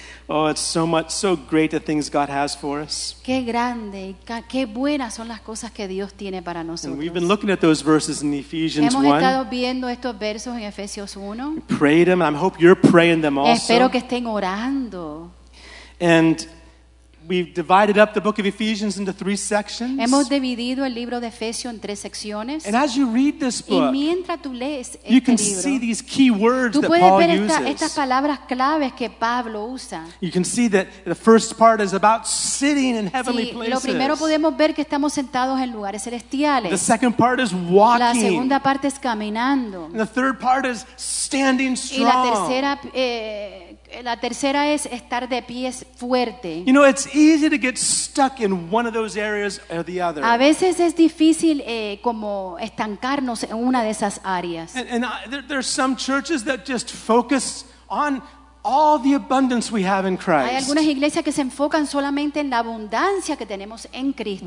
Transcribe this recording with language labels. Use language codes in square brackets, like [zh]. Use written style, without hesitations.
[en] Oh, it's so much, so great the things God has for us. [es] Qué grande, qué buenas son las cosas que Dios tiene para nosotros. [en] And we've been looking at those verses in Ephesians [es] 1. Hemos estado viendo estos versos en Efesios 1. [en] Pray them, and I hope you're praying them also. [es] Espero que estén orando. [en] And we've divided up the book of Ephesians into three sections. [es] Hemos dividido el libro de Efesios en tres secciones. [en] And as you read this book, [es] y mientras tú lees este [en] you can [es] libro, [en] see these key words [es] tú puedes [en] that Paul [es] ver esta, [en] uses. [es] Estas palabras claves que Pablo usa. [en] You can see that the first part is about sitting in heavenly [es] sí, [en] places. [es] Lo primero podemos ver que estamos sentados en lugares celestiales. [en] The second part is walking. [es] La segunda parte es caminando. [en] And the third part is standing strong. [es] Y la tercera es estar de pies fuerte. [en] You know, it's easy to get stuck in one of those areas or the other. [es] A veces es difícil como estancarnos en una de esas áreas. [en] There's some churches that just focus on all the abundance we have in Christ. [es] Hay algunas iglesias que se enfocan solamente en la abundancia que tenemos en Cristo.